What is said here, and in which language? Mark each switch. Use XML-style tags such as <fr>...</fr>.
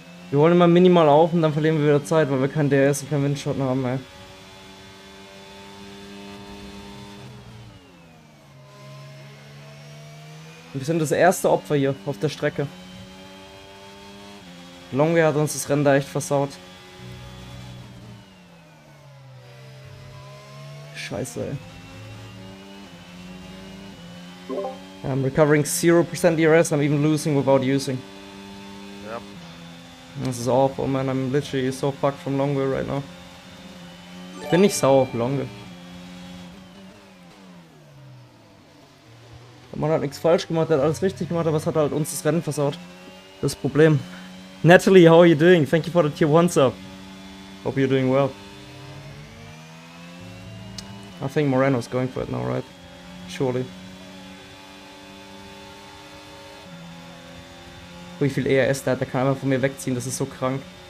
<de>Wir wollen immer minimal auf und dann verlieren wir wieder Zeit, weil wir keinen DRS und keinen Windschatten haben, ey. Wir sind das erste Opfer hier auf der Strecke. Longe hat uns das Rennen da echt versaut. Scheiße, ey.</de> <en>I'm recovering 0% ERS, I'm even losing without using. Yep. This is awful, man. I'm literally so fucked from long wheel right now.</en> <de>Ich bin nicht sauer auf long wheel. Der Mann hat nichts falsch gemacht, der hat alles richtig gemacht, aber es hat halt uns das Rennen versaut. Das Problem.</de> <en>Natalie, how are you doing? Thank you for the tier 1 sub. Hope you're doing well. I think Moreno's going for it now, right? Surely.</en> <de>Wie viel ERS der hat, der kann einfach von mir wegziehen, das ist so krank.</de>